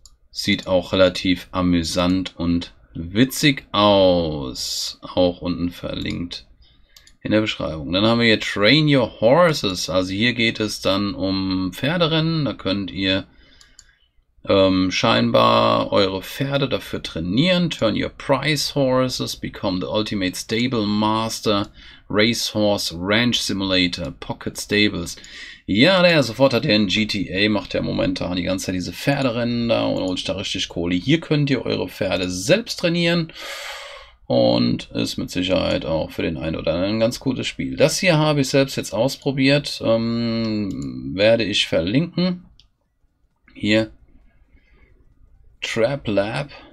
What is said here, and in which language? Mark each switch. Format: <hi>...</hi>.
<de>Sieht auch relativ amüsant und witzig aus. Auch unten verlinkt in der Beschreibung. Dann haben wir hier Train Your Horses. Also hier geht es dann um Pferderennen. Da könnt ihr scheinbar eure Pferde dafür trainieren.</de> <en>Turn your prize horses, become the ultimate stable master, race horse, ranch simulator, pocket stables.</en> <de>Ja, der sofort hat er in GTA, macht ja momentan die ganze Zeit diese Pferderennen da und holt da richtig Kohle. Hier könnt ihr eure Pferde selbst trainieren und ist mit Sicherheit auch für den einen oder anderen ein ganz gutes Spiel. Das hier habe ich selbst jetzt ausprobiert, werde ich verlinken. Hier. Trap Lab.</de>